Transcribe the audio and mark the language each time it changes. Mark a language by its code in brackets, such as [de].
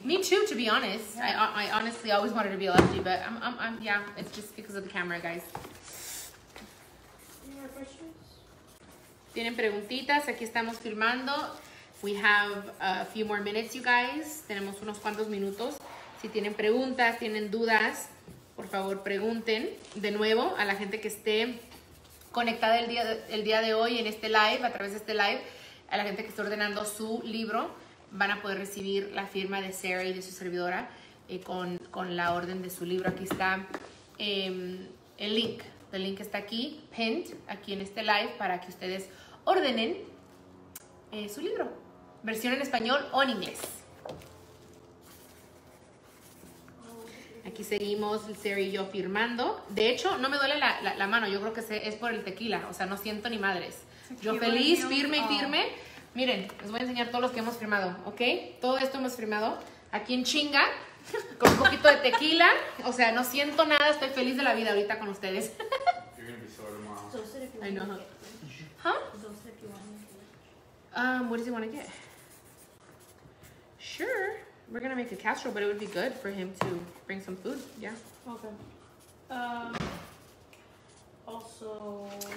[en] Me too, to be honest. Yeah. I honestly always wanted to be a lefty, but I'm yeah, it's just because of the camera, guys. Any more questions? [es] Tienen preguntitas? Aquí estamos filmando. [en] We have a few more minutes, you guys. [es] Tenemos unos cuantos minutos. Si tienen preguntas, tienen dudas, por favor, pregunten de nuevo a la gente que esté conectada el día de hoy en este live, a través de este live. A la gente que está ordenando su libro, van a poder recibir la firma de Sarah y de su servidora con la orden de su libro. Aquí está el link. El link está aquí, pinned, aquí en este live, para que ustedes ordenen su libro. Versión en español o en inglés. Aquí seguimos Sarah y yo firmando. De hecho, no me duele la mano. Yo creo que es por el tequila. O sea, no siento ni madres. Yo feliz, firme y firme. Miren, les voy a enseñar todos los que hemos firmado, ¿ok? Todo esto hemos firmado aquí en chinga, con un poquito de tequila. O sea, no siento nada, estoy feliz de la vida ahorita con ustedes. [en] You're going to be sore tomorrow. I know. Huh? What does he want to get? Sure, we're going to make a casserole, but it would be good for him to bring some food, yeah. Okay. Also,